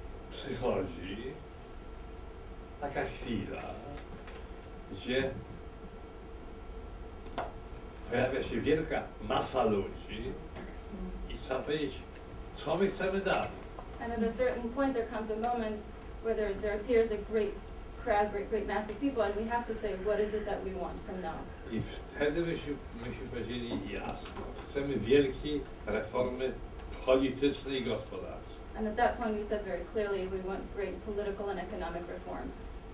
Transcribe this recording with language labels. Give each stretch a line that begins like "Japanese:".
Polish: Przychodzi taka chwila, gdzie pojawia się wielka masa ludzi i trzeba powiedzieć, co my chcemy dalej.
English: And at a certain point there comes a moment where there appears a great crowd, great mass of people, and we have to say, what is it that we want from now?
Polish: I wtedy myśmy powiedzieli jasno, chcemy wielkiej reformy politycznej i gospodarczej.
English: And at that point, we said very clearly, we want great political and economic reforms.